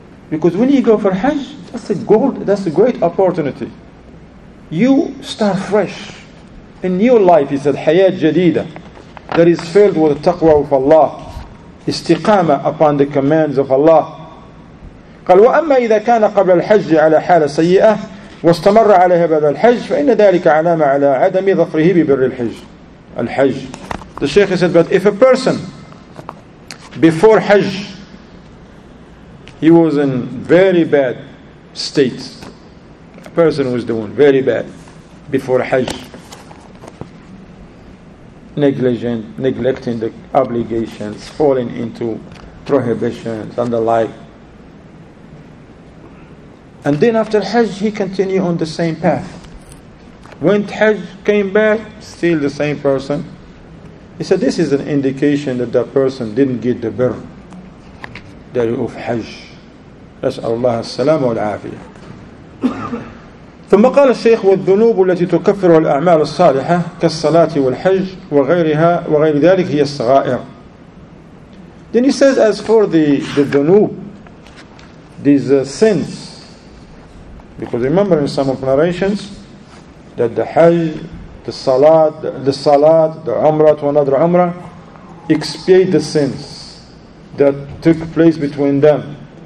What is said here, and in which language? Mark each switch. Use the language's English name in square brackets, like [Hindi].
[English] Because when you go for Hajj, that's a great opportunity. You start fresh. A new life, he said, Hayat Jadida, that is filled with the taqwa of Allah, istiqama upon the commands of Allah. [Arabic] قال وأما إذا كان قبل الحج على حالة سيئة واستمر عليها بعد الحج فإن ذلك علامة على عدم ظفره ببر الحج. الحج. [English] The Sheikh said, but if a person before Hajj he was in very bad state, a person was doing very bad before Hajj, negligent, neglecting the obligations, falling into prohibitions and the like. And then after Hajj, he continued on the same path. Went Hajj, came back, still the same person. He said, this is an indication that that person didn't get the birr, that of Hajj. [Arabic] أسأل الله السلام والعافية. ثم قال الشيخ والذنوب التي تكفر الأعمال الصالحة كالصلاة والحج وغيرها وغير ذلك هي الصغائر. [English] Then he says, as for the ذنوب, these sins, because remember in some of the narrations that the Hajj, the Salat, the Umrah to another Umrah expiate the sins that took place between them.